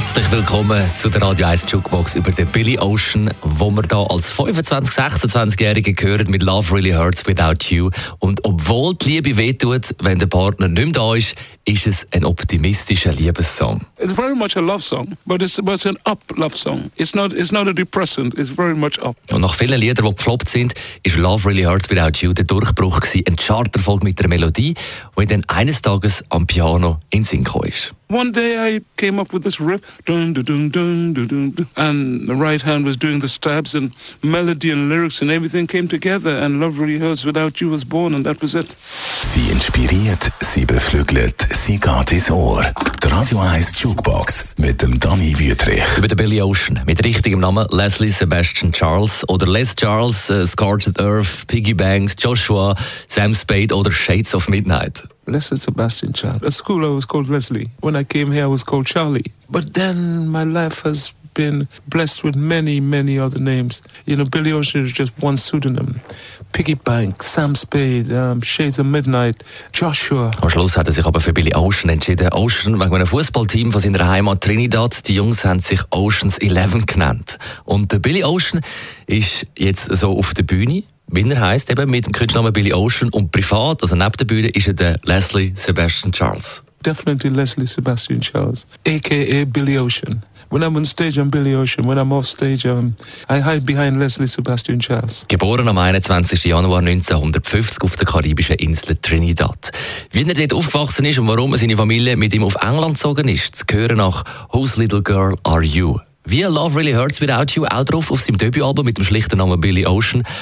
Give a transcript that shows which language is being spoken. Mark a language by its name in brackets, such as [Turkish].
[German] Willkommen zu der Radio 1 Jukebox über den Billy Ocean, wo wir hier als 25-26-Jährige hören mit «Love Really Hurts Without You». Und obwohl die Liebe wehtut, wenn der Partner nicht mehr da ist, ist es ein optimistischer Liebessong. [English] It's very much a love song, but it's an up love song. It's not a depressant, it's very much up. [German] Und nach vielen Liedern, die gefloppt sind, ist «Love Really Hurts Without You» der Durchbruch gewesen, ein Charterfolg mit der Melodie, wo ich dann eines Tages am Piano in Sinn gekommen ist. [English] One day I came up with this riff, dun, dun, dun, dun, dun, dun, and the right hand was doing the stabs and melody and lyrics and everything came together and Love Really Hurts Without You was born and that was it. [German] Sie inspiriert, sie beflügelt, sie geht ins Ohr. Die Radio 1 Jukebox mit dem Dani Wüthrich. Über den Billy Ocean mit richtigem Namen Leslie Sebastian Charles oder Les Charles, Scorched Earth, Piggy Banks, Joshua, Sam Spade oder Shades of Midnight. [English] Leslie Sebastian Charles. At school I was called Leslie. When I came here I was called Charlie. But then my life has been blessed with many, many other names. You know, Billy Ocean is just one pseudonym. Piggy Bank, Sam Spade, Shades of Midnight, Joshua. [German] Am Schluss hat er sich aber für Billy Ocean entschieden. Ocean wegen einem Fußballteam von seiner Heimat Trinidad. Die Jungs haben sich Ocean's 11 genannt. Und der Billy Ocean ist jetzt so auf der Bühne. Wie er heisst, eben mit dem Künstlernamen Billy Ocean. Und privat, also neben der Bühne, ist er der Leslie Sebastian Charles. [English] Definitely Leslie Sebastian Charles, a.k.a. Billy Ocean. When I'm on stage, I'm Billy Ocean. When I'm off stage, I hide behind Leslie Sebastian Charles. [German] Geboren am 21. Januar 1950 auf der karibischen Insel Trinidad. Wie er dort aufgewachsen ist und warum seine Familie mit ihm auf England gezogen ist, zu hören nach «Whose Little Girl Are You?». Wie «Love Really Hurts Without You» auch drauf auf seinem Debütalbum mit dem schlichten Namen Billy Ocean.